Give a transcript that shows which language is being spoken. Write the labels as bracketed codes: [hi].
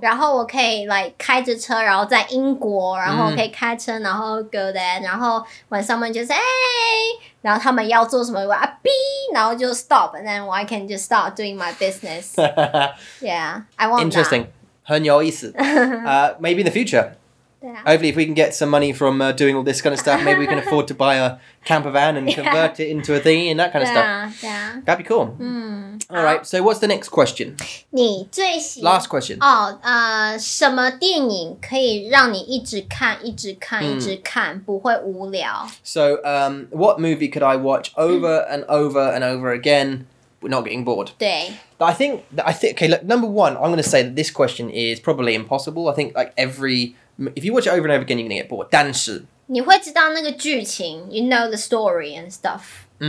[zh] 然后我可以 like 开着车，然后在英国，然后可以开车，然后 go there， 然后 [en] when someone just hey， [zh] 然后他们要做什么，我啊 b， 然后就 stop， [en] and then I can just start doing my business. yeah, I want Interesting. Interesting, [zh] 很有意思。 [en] Maybe in the future. Yeah. Hopefully, if we can get some money from doing all this kind of stuff, maybe we can afford to buy a camper van and convert it into a thingy and that kind of stuff. Yeah, yeah. That'd be cool. All right, so what's the next question? Last question. [zh] Oh, 什么电影可以让你一直看、一直看、一直看，不会无聊？ [en] So, what movie could I watch over and over and over again, not getting bored? [zh] 对。 [en] I think, okay, look, number one, I'm going to say that this question is probably impossible. I think, like, if you watch it over and over again, you're going to get bored. [zh] 但是你会知道那个剧情 [en] you know the story and stuff.